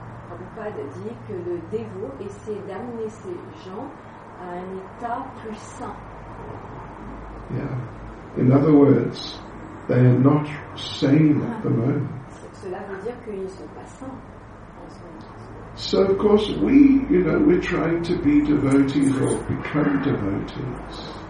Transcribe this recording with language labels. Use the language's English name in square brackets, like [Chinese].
[French] Prabhupada dit que le dévot essaie d'amener ces gens à un état plus sain. [English] Yeah. In other words, they are not sane at the moment. [French] Cela veut dire qu'ils ne sont pas sains. [English] So of course we, you know, we're trying to be devotees or become devotees.